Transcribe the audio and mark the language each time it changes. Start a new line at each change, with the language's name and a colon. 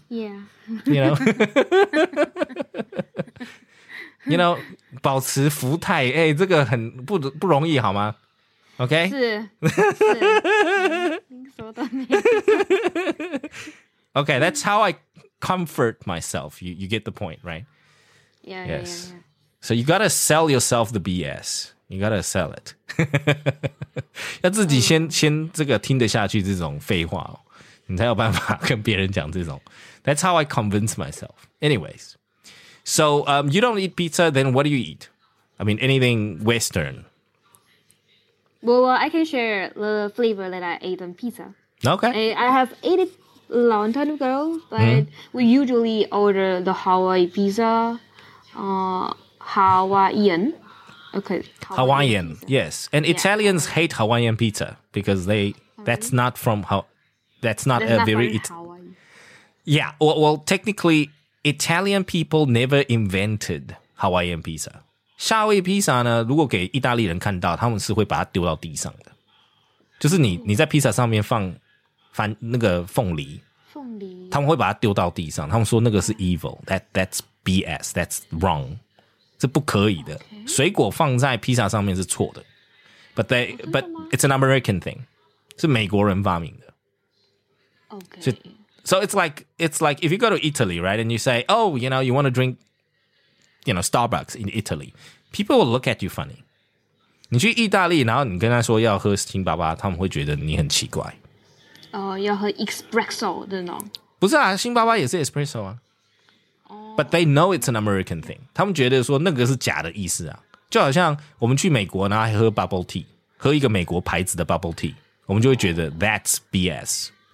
English: You know You know
Chinese: 保持福态、欸、这个很 不容易好吗 Okay 是
English: Okay that's how I comfort myself You get the point right Yeah, yes. yeah. So you gotta sell yourself the BSYou gotta sell it.
Chinese: 要自己先这个听得下去这种废话、哦、你才有办法跟别人讲这种。
English: That's how I convince myself. Anyways. So, you don't eat pizza, then what do you eat? I mean, anything Western. Well, I can share the flavor that I ate on pizza. Okay. I have ate it a long time ago, but、mm-hmm. we usually order the Hawaii pizza, Hawaiian. Okay, Hawaiian, yes. And yeah, Italians yeah. hate Hawaiian pizza because they, that's not from, that's not that's a not very, Hawaii. Yeah, well, technically, Italian people never invented Hawaiian pizza.
Chinese: 夏威夷披萨呢,如果给意大利人看到,他们是会把它丢到地上的。就是你在披萨上面放那个凤梨, 凤梨，他们会把它丢到地上，他们说那个是 evil，
English: that's BS， that's wrong，
Chinese: 是不可以的、
English: okay.
Chinese: 水果放在披萨上面是错的，
English: but it's an American thing，
Chinese: 是美国人发明的。
English: OK， so it's like if you go to Italy, right, and you say, oh, you know, you want to drink, you know, Starbucks in Italy, people will look at you funny。
Chinese: 你去意大利，然后你跟他说要喝星巴巴，他们会觉得你很奇怪。要喝 espresso 的呢？不是啊，星巴巴也是 espresso 啊。
English: But they know it's an American thing。
Chinese: 他们觉得说那个是假的意思啊，就好像我们去美国，然后还喝 bubble tea， 喝一个美国牌子的 bubble tea， 我们就会觉得
English: that's BS。